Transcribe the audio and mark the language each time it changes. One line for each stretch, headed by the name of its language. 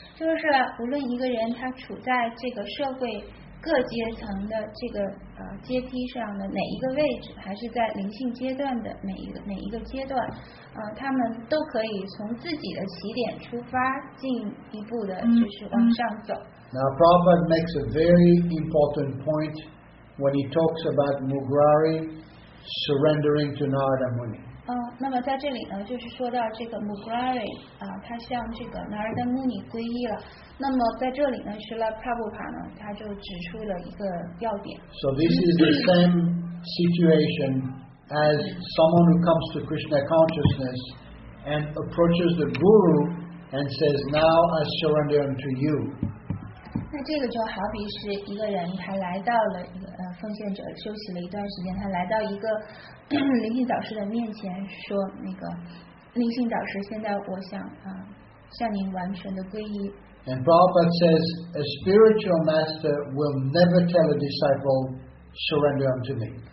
Chinese: 就是无论一个人他处在这个社会各阶层的这个阶梯上的哪一个位置，还是在灵性阶段的每一个阶段，他们都可以从自己的起点出发，进一步的就是往上走。
English: Now, Prabhupada makes a very important point when he talks about Mugrari surrendering to Narada Muni.
Chinese: 那么在这里呢，就是说到这个 Mugrari 他向这个 Narada Muni 皈依了。那么在这里呢，是拉帕布帕呢，他就指出了一个要点。
English: So this is the same situation as someone who comes to Krishna consciousness and approaches the Guru and says, "Now I surrender unto you."
Chinese: 那这个就好比是一个人，他来到了一个奉献者，休息了一段时间，他来到一个灵性导师的面前，说那个灵性导师，现在我想向您完全的皈依。
English: And Prabhupada says, a spiritual master will never tell a disciple, surrender unto me.